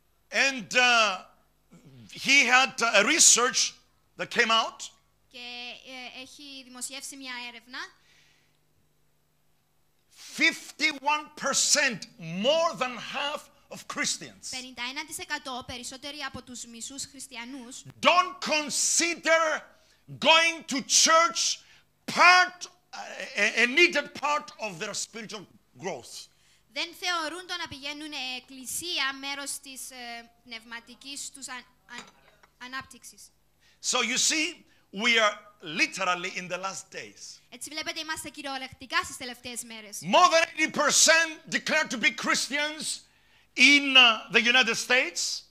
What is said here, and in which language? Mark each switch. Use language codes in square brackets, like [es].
[en] And he had a research that came out. [el] Και έχει δημοσιεύσει μια έρευνα. [en] 51% more than half of Christians. [el] 51% περισσότεροι από τους μισούς χριστιανούς. [en] Don't consider going to church part a needed part of their spiritual growth. [el] Δεν θεωρούν το να πηγαίνουν εκκλησία μέρος της πνευματικής τους ανάπτυξης. [en] So you see, we are literally in the last days. [el] Έτσι βλέπετε, είμαστε κυριολεκτικά στις τελευταίες μέρες. [en] More than 80% declare to be Christians in the United States.